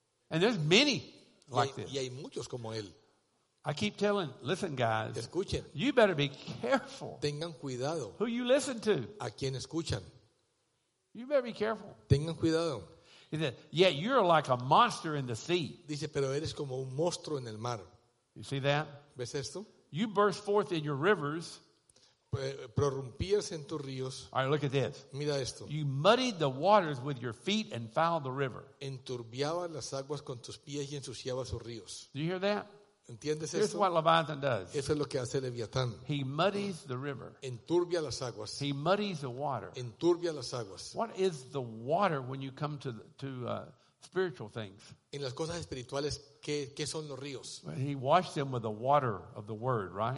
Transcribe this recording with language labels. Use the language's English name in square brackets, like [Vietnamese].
[English] And there's many like this. [Spanish] Y hay muchos como él. [English] I keep telling, listen, guys. [Spanish] Escuchen. [English] You better be careful. [Spanish] Tengan cuidado. [English] Who you listen to? [Spanish] A quién escuchan. [English] You better be careful. [Spanish] Tengan cuidado. [English] He said, "Yet you're like a monster in the sea." [Spanish] Dice, pero eres como un monstruo en el mar. [English] You see that? [Spanish] ¿Ves esto? [English] You burst forth in your rivers. [Spanish] Prorrumpías en tus ríos. [English] All right, look at this. [Spanish] Mira esto. [English] You muddied the waters with your feet and fouled the river. [Spanish] Enturbiabas las aguas con tus pies y ensuciabas sus ríos. [English] Do you hear that? [Spanish] ¿Entiendes esto? [English] Here's what Leviathan does. [Spanish] Eso es lo que hace Leviatán. [English] He muddies the river. [Spanish] Enturbia las aguas. [English] He muddies the water. [Spanish] Enturbia las aguas. [English] What is the water when you come to spiritual things? [Spanish] En las cosas espirituales, ¿qué son los ríos? [English] He washed them with the water of the word, right?